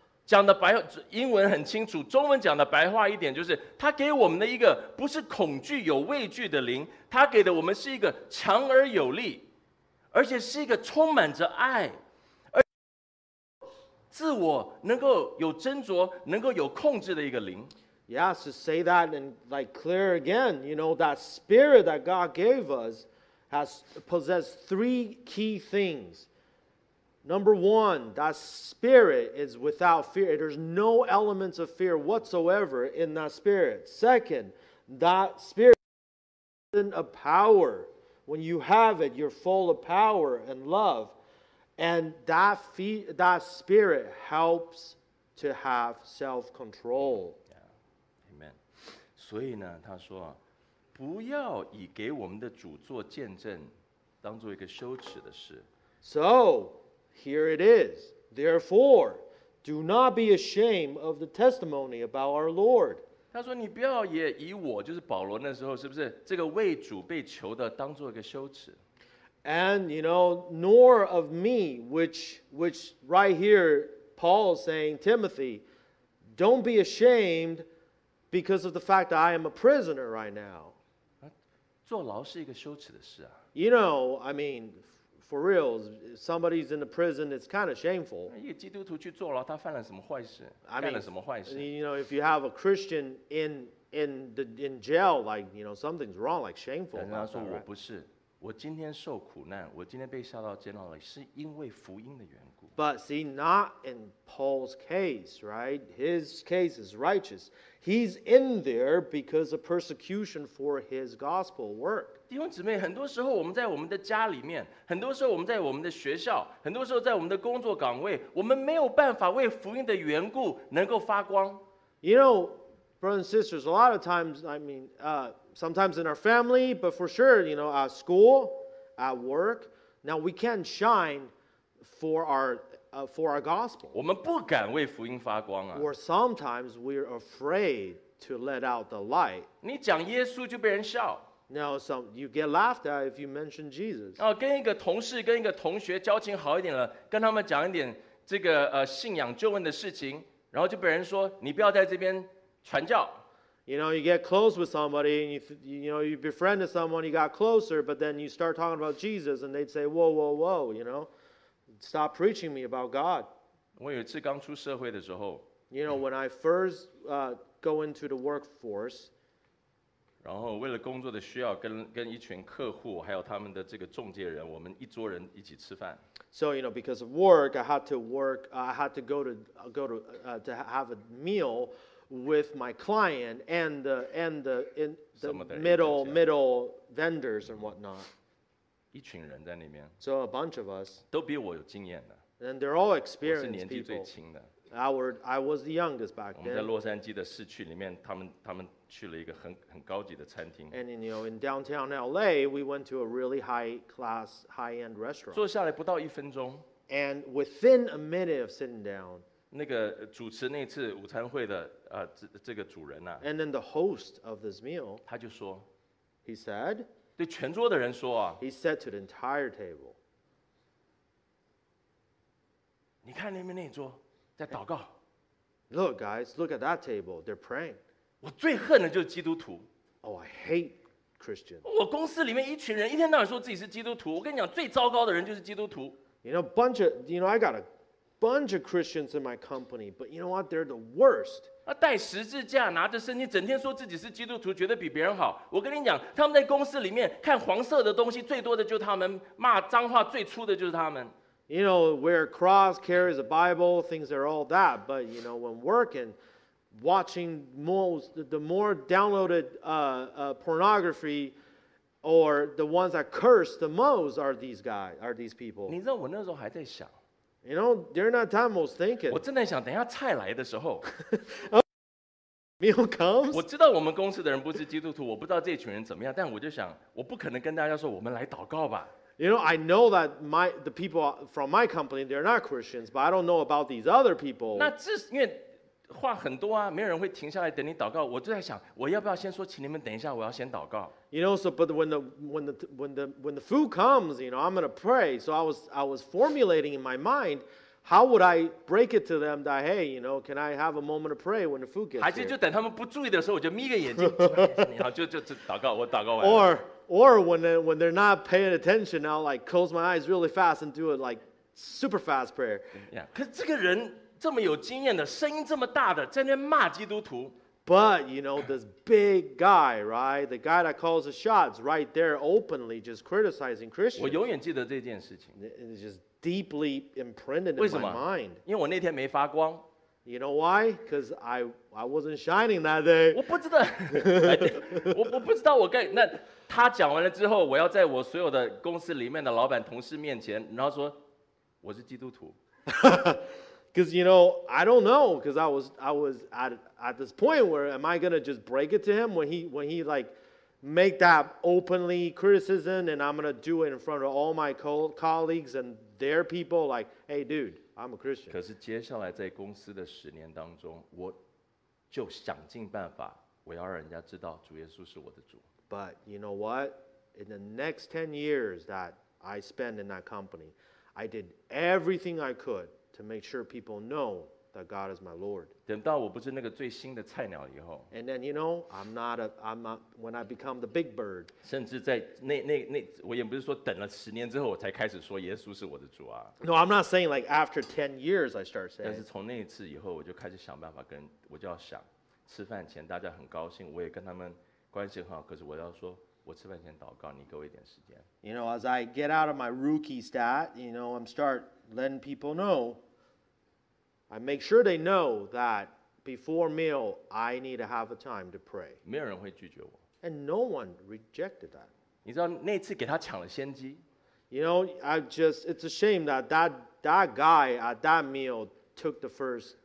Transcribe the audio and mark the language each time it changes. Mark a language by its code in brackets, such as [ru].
[zh] 讲的白英文很清楚，中文讲的白话一点就是，他给我们的一个不是恐惧有畏惧的灵，他给的我们是一个强而有力，而且是一个充满着爱，而自我能够有斟酌，能够有控制的一个灵。 [en] Yes, to say that and like clear again, you know that spirit that God gave us has possessed three key things. Number one, that spirit is without fear. There's no elements of fear whatsoever in that spirit. Second, that spirit is a power. When you have it, you're full of power and love. And that spirit helps to have self-control. Yeah. Amen. [zh] 所以呢，他说，不要以给我们的主做见证当做一个羞耻的事。 [en] So,Here it is. Therefore, do not be ashamed of the testimony about our Lord. [zh] 他说：“你不要也以我，就是保罗那时候，是不是这个为主被囚的，当做一个羞耻 [en] ？”And you know, nor of me, which right here Paul is saying, Timothy, don't be ashamed because of the fact that I am a prisoner right now. [zh] 坐牢是一个羞耻的事啊。 [en] You know, I mean. For real, if somebody's in the prison, it's kind of shameful. [zh] 一个基督徒去坐牢，他犯了什么坏事？干了什么坏事 [en] ？You know, if you have a Christian in jail, like you know, something's wrong, like shameful. [zh] 但是他说我不是。我今天受苦难，我今天被下到监牢里，是因为福音的缘故。 [en] But see, not in Paul's case, right? His case is righteous. He's in there because of persecution for his gospel work. [zh] 弟兄姊妹，很多时候我们在我们的家里面，很多时候我们在我们的学校，很多时候在我们的工作岗位，我们没有办法为福音的缘故能够发光。 [en] You know, brothers and sisters, a lot of times, sometimes in our family, but for sure, you know, at school, at work. Now we can't shine for our gospel. [zh] 我们不敢为福音发光啊。 [en] Or sometimes we're afraid to let out the light. [zh] 你讲耶稣就被人笑。 [en] Now some you get laughed at if you mention Jesus. [zh] 哦，跟一个同事、跟一个同学交情好一点了，跟他们讲一点这个信仰救恩的事情，然后就被人说你不要在这边传教。 [en] You know, you get close with somebody, and you befriended someone, you got closer, but then you start talking about Jesus, and they'd say, whoa, whoa, whoa, you know, stop preaching me about God. [zh] 我有一次刚出社会的时候 [en] You know, when I first go into the workforce, [zh] 然后为了工作的需要跟一群客户还有他们的这个中介人我们一桌人一起吃饭 [en] So, you know, because of work, I had to work, I had to go to have a meal,with my client and the middle vendors and whatnot. [zh] 一群人在那边。 [en] So a bunch of us. [zh] 都比我有经验的。 [en] And they're all experienced people. [zh] 我是年纪最轻的。 [en] I was the youngest back then. [zh] 我们在洛杉矶的市区里面，他们去了一个很高级的餐厅。 [en] And you know, in downtown LA, we went to a really high class, high end restaurant. [zh] 坐下来不到一分钟。 [en] And within a minute of sitting down. [zh] 那个主持那次午餐会的这个主人啊 [en] And then the host of this meal [zh] 他就说 [en] He said [zh] 对全桌的人说啊 [en] He said to the entire table [zh] 你看那边那桌在祷告 [en] Look guys, look at that table, they're praying [zh] 我最恨的就是基督徒 [en] Oh, I hate Christians [zh] 我公司里面一群人一天到晚说自己是基督徒我跟你讲最糟糕的人就是基督徒 [en] You know, I got a bunch of Christians in my company, but you know what? They're the worst. [zh] 带十字架，拿着圣经，整天说自己是基督徒，觉得比别人好。我跟你讲，他们在公司里面看黄色的东西最多的就是他们，骂脏话最粗的就是他们。 [en] You know, wear a cross, carries a Bible, things are all that. But you know, when working, watching the more downloaded pornography. Or the ones that curse the most are these people. [zh] 你知道我那时候还在想。 [en] You know, during that time, I was thinking. [zh] 我正在想，等一下菜来的时候。 [en] Meal comes. [zh] 我知道我们公司的人不是基督徒，我不知道这群人怎么样，但我就想，我不可能跟大家说我们来祷告吧。 [en] You know, I know that the people from my company, they're not Christians, but I don't know about these other people. [zh] 那这是因为话很多啊，没有人会停下来等你祷告。我就在想，我要不要先说，请你们等一下，我要先祷告。 [en] You know, so but when the food comes, you know, I'm gonna pray. So I was formulating in my mind, how would I break it to them that hey, you know, can I have a moment to pray when the food gets here? [zh] 还是就等他们不注意的时候，我就眯个眼睛，然后就祷告，我祷告完了。 [en] Or when they're not paying attention, I'll like close my eyes really fast and do a like super fast prayer. Yeah. [zh] 可是这个人。这么有经验的，声音这么大的，在那边骂基督徒。 [en] But you know this big guy, right? The guy that calls the shots, right there, openly just criticizing Christians. [zh] 我永远记得这件事情。 [en] It's just deeply imprinted in my mind. [zh] 因为我那天没发光。 [en] You know why? Because I wasn't shining that day. [zh] 我不知道，我不知道我该那他讲完了之后，我要在我所有的公司里面的老板、同事面前，然后说我是基督徒。 [en] Because, you know, I don't know, because I was at this point where am I going to just break it to him when he like, make that openly criticism and I'm going to do it in front of all my colleagues and their people, like, hey, dude, I'm a Christian. [zh] 可是接下来在公司的十年当中，我就想尽办法，我要让人家知道主耶稣是我的主。 [en] But, you know what? In the next 10 years that I spent in that company, I did everything I could. To make sure people know that God is my Lord. [zh] 等到我不是那个最新的菜鸟以后 [en] And then you know, I'm not when I become the big bird. [zh] 甚至在那我也不是说等了十年之后我才开始说耶稣是我的主啊 [en] No, I'm not saying like after 10 years I start saying. [zh] 但是从那一次以后，我就开始想办法跟我就要想，吃饭前大家很高兴，我也跟他们关系很好，可是我要说。我吃饭前祷告，你给我一点时间。 [en] You know, as I get out of my rookie stat, you know, I'm start letting people know. I make sure they know that before meal, I need to have a time to pray. [zh] 没有人会拒绝我。 [en] And no one rejected that. [zh] 你知道那次给他抢了先机。 [en] You know, I just, it's a shame that that guy at that meal took the first.